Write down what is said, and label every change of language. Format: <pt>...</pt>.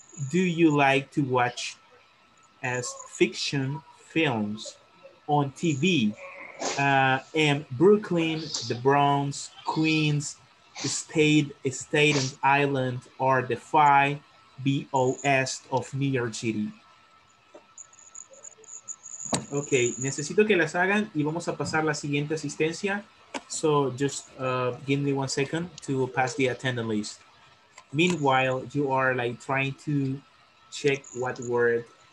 <en>Do you like to watch as fiction films on TV? And Brooklyn, the Bronx, Queens, Staten Island, or the five BOS of New York City.</en> <es>Okay, necesito que las hagan y vamos a pasar la siguiente asistencia.</es> <en>So just give me 1 second to pass the attendance list. Meanwhile, you are like trying to check what word.</en>